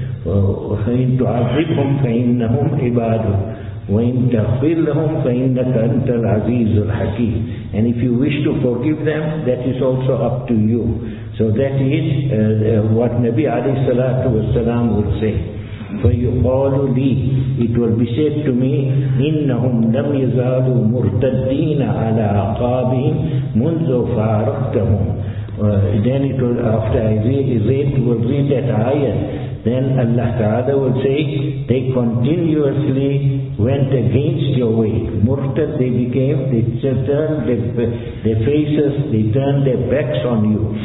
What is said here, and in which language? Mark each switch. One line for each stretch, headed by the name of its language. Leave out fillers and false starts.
Arabic: إِنْ تُعَذِّبْهُمْ فَإِنَّهُمْ عِبَادُ. وَإِنْ تَغْفِرْ لَهُمْ فَإِنَّكَ أَنْتَ الْعَزِيزُ الْحَكِيمُ.
English: And if you wish to forgive them, that is also up to you. So that is what Nabi alayhi salatu wasalam would say.
Arabic: فَيُقَالُ لِي.
English: It will be said to me,
Arabic: إِنَّهُمْ لَمْ يَزَالُوا مُرْتَدِّينَ عَلَىٰ أَعْقَابِهِمْ مُنْذُ فَارَقْتَهُمْ.
English: Then it will, after I read that ayat, then Allah Ta'ala will say, they continuously went against your way. Murtad they became, they turned their faces, they turned their backs on you.